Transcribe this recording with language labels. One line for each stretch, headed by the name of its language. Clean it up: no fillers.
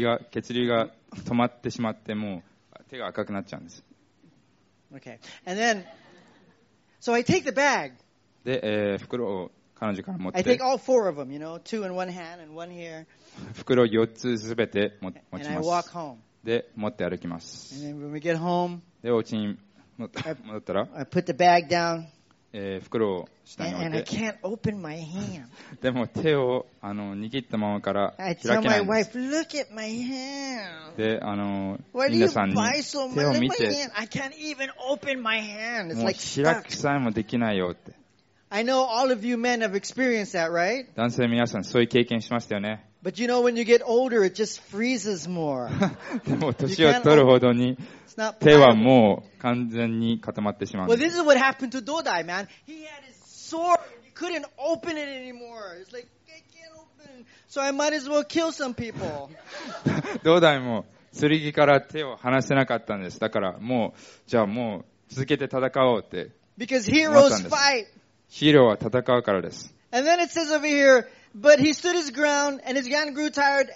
Japanese: 血流が止まってしまって、もう手が赤くなっちゃうんです。
English: Okay. And then, so I take the bag.
Japanese: で、袋を彼女から持って。
English: I take all four of them, you know, two in one hand and one here.
Japanese: 袋を4つすべて持ちます。
English: And I walk home.
Japanese: で、持って歩きます。
English: And then when we get home.
Japanese: で、お家に。戻ったら
English: I put the bag down,
Japanese: 袋を下に置いて
English: and I can't open my hand.
Japanese: でも手を握ったままから開けないんです
English: I tell my wife, look at my hand.
Japanese: で皆さんに手を見て
English: I can't even open my hand. It's like
Japanese: もう開くさえもできないよって
English: I know all of you men have experienced that, right?
Japanese: 男性皆さんそういう経験しましたよね
English: But you know when you get older it just freezes more.
Japanese: でも年を取るほどに手はもう完全に固まってしまう。
English: Well, this is what happened to Dodai, man. He had his sword. He couldn't open it anymore. It's like, I can't open it. So I might as well kill some people.
Japanese: Dodai も剣から手を離せなかったんです。だからもう、じゃあもう続けて戦おうって。
English: Because heroes fight.
Japanese: ヒーローは戦うからです。
English: And then it says over here, but he stood his ground and his hand grew tired.